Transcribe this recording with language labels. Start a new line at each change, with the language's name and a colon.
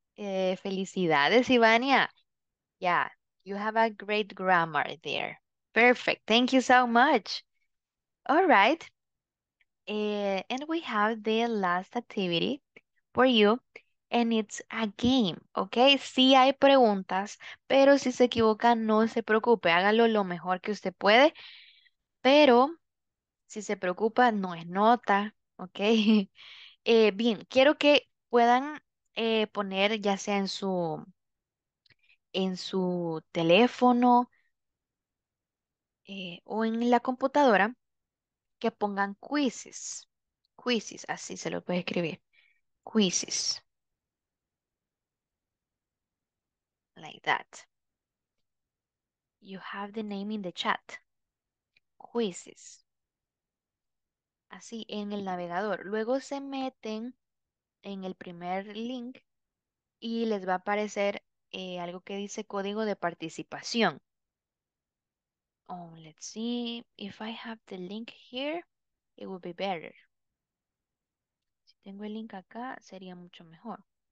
Spanish: Felicidades,
English: Ivania. Yeah, you have a great grammar there. Perfect. Thank you so much. All right. And we have the last activity for you, and it's a game, okay?
Spanish: Sí hay preguntas, pero si se equivoca, no se preocupe. Hágalo lo mejor que usted puede. Pero si se preocupa, no es nota. Ok, bien, quiero que puedan poner ya sea en su teléfono o en la computadora, que pongan quizzes, quizzes, así se lo puede escribir, quizzes,
English: like that. You have the name in the chat, quizzes.
Spanish: Así en el navegador. Luego se meten en el primer link y les va a aparecer algo que dice código de participación.
English: Oh, let's see. If I have the link here, it would be better.
Spanish: Si tengo el link acá, sería mucho mejor.